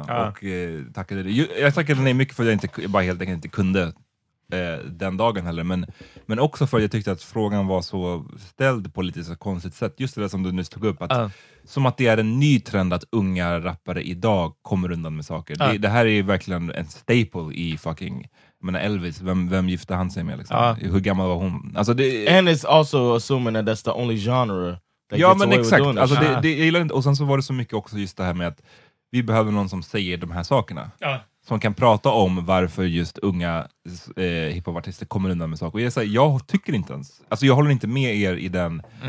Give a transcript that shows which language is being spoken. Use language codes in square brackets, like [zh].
[sv] Och tackade det. Jag tackade nej mycket för att jag helt enkelt inte kunde den dagen heller. Men också för att jag tyckte att frågan var så ställd på lite så konstigt sätt. Just det som du nyss tog upp. Som att det är en ny trend att unga rappare idag kommer undan med saker. Det här är ju verkligen en staple i fucking... Men Elvis, vem gifte han sig med liksom? Hur gammal var hon? Alltså det, [en] and it's also assuming that that's the only genre that [sv] ja, gets men exakt. Alltså det jag gillar inte. Och sen så var det så mycket också just det här med att vi behöver någon som säger de här sakerna. Som kan prata om varför just unga hiphopartister kommer undan med saker. Och jag tycker inte ens. Alltså jag håller inte med er i den